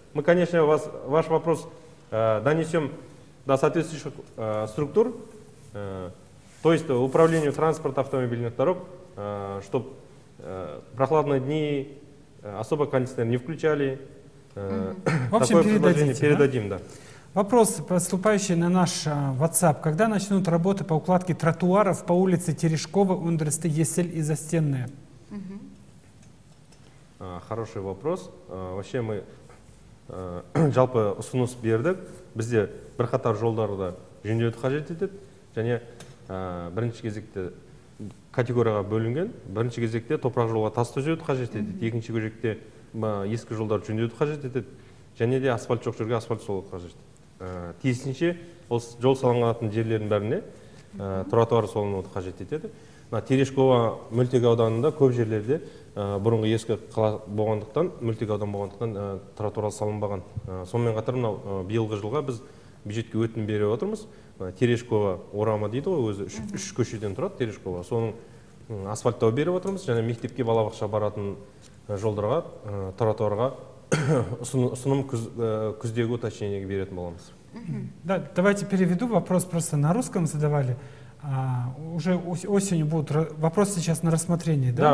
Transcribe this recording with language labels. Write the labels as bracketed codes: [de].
[ru] Мы, конечно, ваш вопрос донесем до соответствующих структур, то есть управлению транспорта автомобильных дорог, чтобы прохладные дни особо кондиционер не включали. В общем, передадите, передадим, да? Вопрос, поступающий на наш WhatsApp. Когда начнут работы по укладке тротуаров по улице Терешкова, Ундресты, Есель и Застенная? Хороший вопрос. Вообще мы [kk] жалпы ұсыныс бердік. Бізде бірқатар жолдарды жөндеуді қажет етеді. Және бірінші кезекте категорияға бөлінген. Бірінші кезекте топырақ жолға тас төсеуді қажет етеді. Екінші кезекте ескі жолдар жөндеуді қажет етеді. Және де асфальт жоқ жерге асфальт салу қажет. Тиісінше осы жол салынған жерлердің бәріне тротуар салынуды қажет етеді. Терешкова мөлтек ауданында көп жерлерде бұрынғы ескі қала болғандықтан, мөлтек аудан болғандықтан тротуар салынбаған. Сонымен қатар мынау биылғы жылға біз бюджетке өтінім беріп отырмыз. Терешкова орамы дейді ғой, өзі үш көшеден тұрады Терешкова. Соның асфальттау беріп отырмыз, және мектепке балабақша баратын жолдарға, тротуарға ұсыным күздегі уточнениеге беретін боламыз. [ru] Да, давайте переведу вопрос, просто на русском задавали. Уже осенью будут вопросы сейчас на рассмотрение, да?